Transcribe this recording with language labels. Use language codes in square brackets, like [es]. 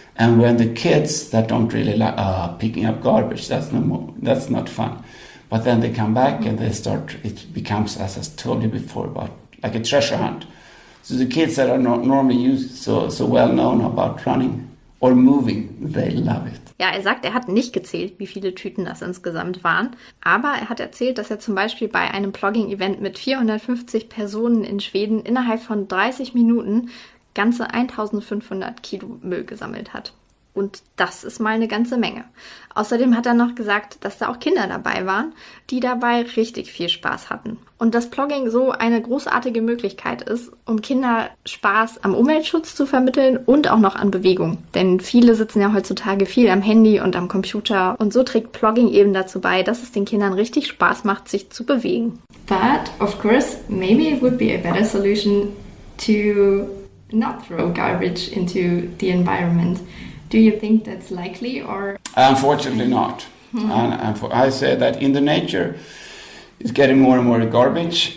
[en] And when the kids that don't really like picking up garbage, that's not fun. But then they come back and they start, it becomes, as I told you before, about like a treasure hunt. So the kids that are not normally used, so well known about running or moving, they love it. [de] Ja, er sagt, er hat nicht gezählt, wie viele Tüten das insgesamt waren. Aber er hat erzählt, dass er zum Beispiel bei einem Plogging-Event mit 450 Personen in Schweden innerhalb von 30 Minuten ganze 1500 Kilo Müll gesammelt hat. Und das ist mal eine ganze Menge. Außerdem hat er noch gesagt, dass da auch Kinder dabei waren, die dabei richtig viel Spaß hatten. Und dass Plogging so eine großartige Möglichkeit ist, um Kinder Spaß am Umweltschutz zu vermitteln und auch noch an Bewegung. Denn viele sitzen ja heutzutage viel am Handy und am Computer. Und so trägt Plogging eben dazu bei, dass es den Kindern richtig Spaß macht, sich zu bewegen. [en] But of course, maybe it would be a better solution to not throw garbage into the environment. Do you think that's likely or...? Unfortunately not. I say that in the nature, it's getting more and more garbage.